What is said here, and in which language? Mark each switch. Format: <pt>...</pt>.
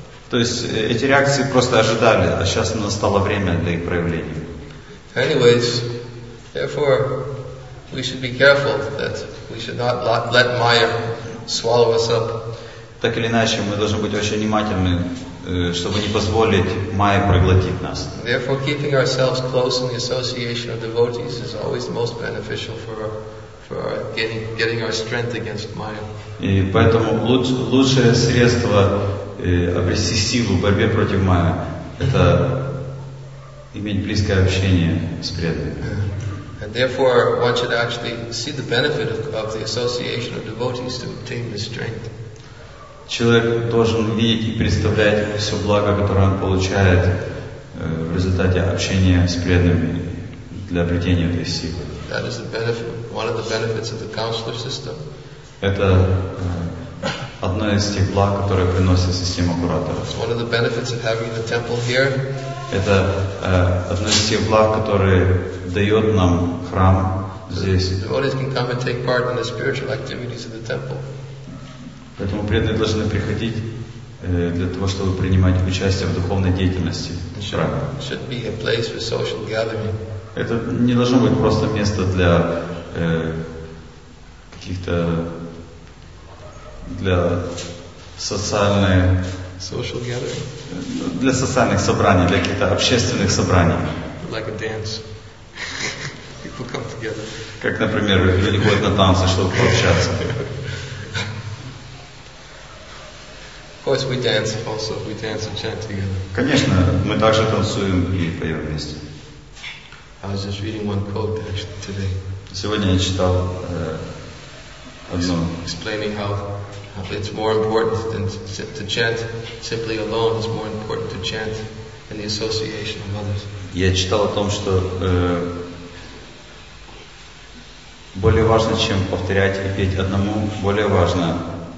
<ru>То есть эти реакции просто ожидали, а сейчас настало время для их проявления.</ru> <en>Anyways, therefore, we should be careful that we should not let Maya swallow us up.</en> <ru>Так или иначе, мы должны быть очень внимательны, чтобы не позволить Майе проглотить нас.</ru> <en>Therefore, keeping ourselves close in the association of devotees is always the most beneficial for our getting our strength against Maya.</en> <ru>И поэтому лучшее средство обрести силу в борьбе против Maya это иметь близкое общение с преданными.</ru> <en>And therefore, one should actually see the benefit of the association of devotees to obtain this strength.</en> <ru>Человек должен видеть и представлять все благо, которое он получает в результате общения с преданными для обретения этой силы.</ru> <en>That is the benefit, one of the benefits of the counselor system.</en> <ru>Это одно из тех благ, которые приносит система кураторов.</ru> <en>One of the benefits of having the temple here.</en> <ru>Это одно из тех благ, которые дает нам храм здесь.</ru> <en>Devotees can come and take part in the spiritual activities of the temple.</en> <ru>Поэтому преданные должны приходить для того, чтобы принимать участие в духовной деятельности храма.</ru> <en>Should be a place for social gathering.</en> <ru>Это не должно быть просто место для каких-то для социальных</ru> <en>social gathering.</en> <ru>Для социальных собраний, для каких-то общественных собраний.</ru> <en>Like a dance. People come together.</en> <ru>Как, например, люди ходят на танцы, чтобы пообщаться.</ru> <en>Of course, we dance also. We dance and chant together.</en> <ru>Конечно, мы также танцуем и поем вместе.</ru> <en>I was just reading one quote actually today.</en> <ru>Сегодня я читал одно.</ru> <en>Explaining how it's more important than to chant simply alone. It's more important to chant in the association of others.</en> <ru>Я читал о том, что более важно, чем повторять и петь одному, более важно.</ru>